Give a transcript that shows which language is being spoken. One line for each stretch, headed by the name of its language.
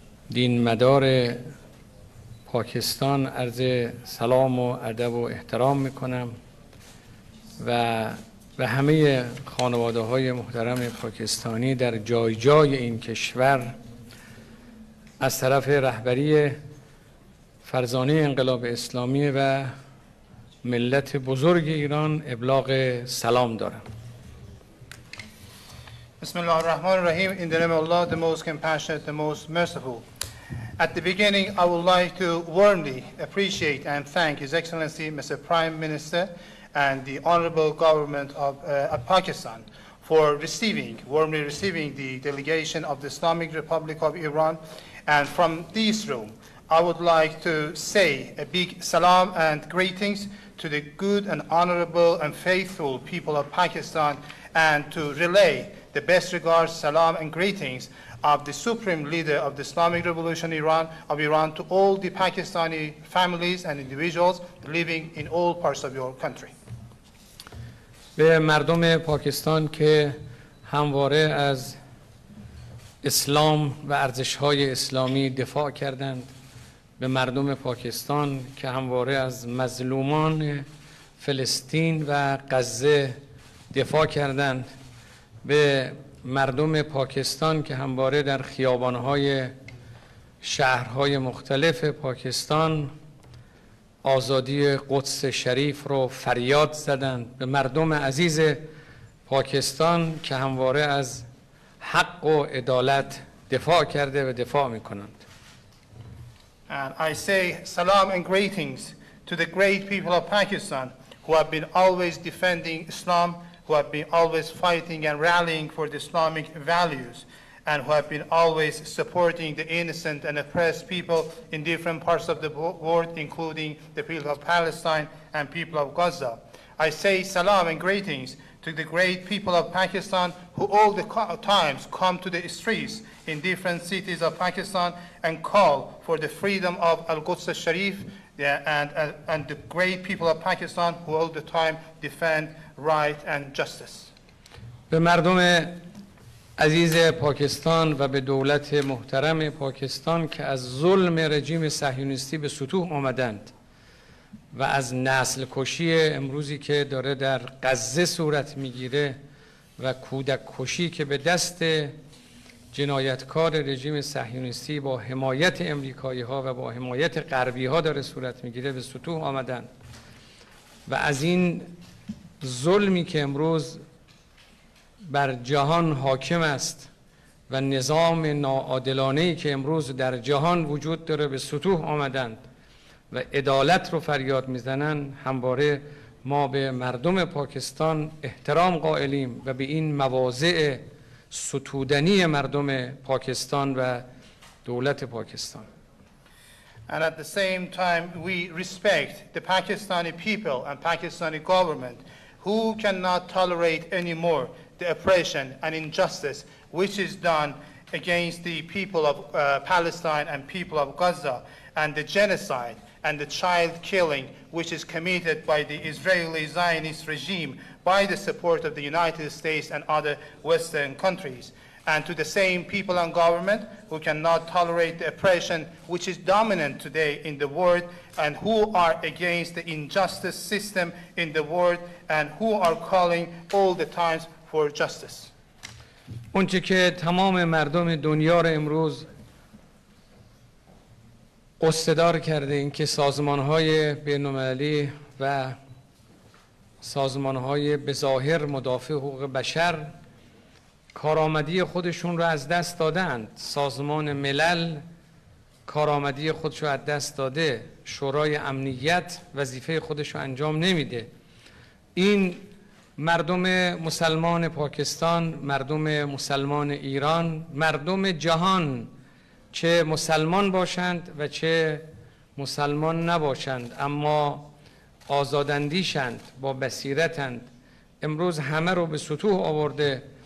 Persian: دین مدار پاکستان عرض سلام و ادب و احترام میکنم و به همه خانواده های محترم پاکستانی در جای جای این کشور از طرف رهبری فرزانه انقلاب اسلامی و ملت بزرگ ایران ابلاغ سلام دارم.
Arabic: بسم الله الرحمن الرحیم.
English: In the name of Allah, the most compassionate, the most merciful. At the beginning, I would like to warmly appreciate and thank His Excellency Mr. Prime Minister and the Honorable Government of Pacistan for warmly receiving the delegation of the Islamic Republic of Iran. And from this room, I would like to say a big salam and greetings to the good and honorable and faithful people of Pakistan, and to relay the best regards, salam and greetings of the Supreme Leader of the Islamic Revolution of Iran to all the Pakistani families and individuals living in all parts of your country.
Persian: به مردم پاکستان که همواره از اسلام و ارزش‌های اسلامی دفاع کردند، به مردم پاکستان که همواره از مظلومان فلسطین و غزه دفاع کردند، به مردم پاکستان که همواره در خیابان‌های شهرهای مختلف پاکستان آزادی قدس شریف رو فریاد زدند، به مردم عزیز پاکستان که همواره از حق و عدالت دفاع کرده و دفاع میکنند.
English: And I say salam and greetings to the great people of Pakistan who have been always defending Islam, who have been always fighting and rallying for the Islamic values, and who have been always supporting the innocent and oppressed people in different parts of the world, including the people of Palestine and people of Gaza. I say salam and greetings to the great people of Pakistan who all the times come to the streets in different cities of Pakistan and call for the freedom of Al-Quds Sharif, and the great people of Pakistan who all the time defend right and justice.
Persian: به مردم عزیز پاکستان و به دولت محترم پاکستان که از ظلم رژیم صهیونیستی به سطوح آمدند و از نسل کشی امروزی که داره در غزه صورت میگیره و کودک کشی که به دست جنایتکار رژیم صهیونیستی با حمایت امریکایی ها و با حمایت غربی ها داره صورت میگیره به سطوح آمدن و از این ظلمی که امروز بر جهان حاکم است و نظام ناعادلانه ای که امروز در جهان وجود داره به سطوح آمدند و عدالت رو فریاد میزنن، همواره ما به مردم پاکستان احترام قائلیم و به این مواضع ستودنی مردم پاکستان و دولت پاکستان.
English: And at the same time we respect the Pakistani people and Pakistani government who cannot tolerate anymore the oppression and injustice which is done against the people of Palestine and people of Gaza. and the genocide and the child killing which is committed by the Israeli Zionist regime by the support of the United States and other Western countries, and to the same people and government who cannot tolerate the oppression which is dominant today in the world and who are against the injustice system in the world and who are calling all the times for justice.
Persian: اونچه که تمام مردم دنیا را امروز قصدار کرده این که سازمان‌های بین‌المللی و سازمان‌های به ظاهر مدافع حقوق بشر کارآمدی خودشون را از دست دادند، سازمان ملل کارآمدی خودش را از دست داده، شورای امنیت وظیفه خودش را انجام نمیده، این مردم مسلمان پاکستان، مردم مسلمان ایران، مردم جهان چه مسلمان باشند و چه مسلمان نباشند اما آزاداندیشند، با بصیرتند، امروز همه رو به سطوح آورده.